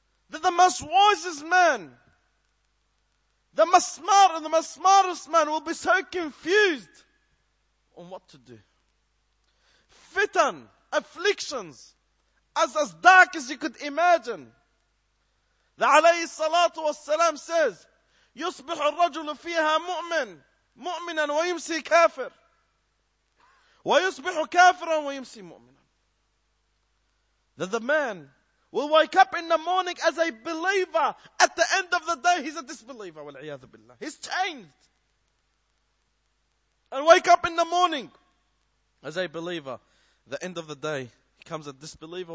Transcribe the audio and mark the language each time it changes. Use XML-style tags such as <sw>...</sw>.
<en>That the most wisest man, the most smartest man will be so confused on what to do. Fitan, afflictions, as dark as you could imagine. The alayhi salatu was salam says,</en> <ar>يُصْبِحُ الرَّجُلُ فِيهَا مُؤْمِنًا وَيُمْسِي كَافِرًا وَيُصْبِحُ كَافِرًا وَيُمْسِي مُؤْمِنًا.</ar> <en>That the man will wake up in the morning as a believer. At the end of the day, he's a disbeliever.</en> <ar>وَالْعِيَاذُ بِاللَّهِ.</ar> <en>He's changed. And wake up in the morning as a believer. The end of the day, he comes a disbeliever.</en>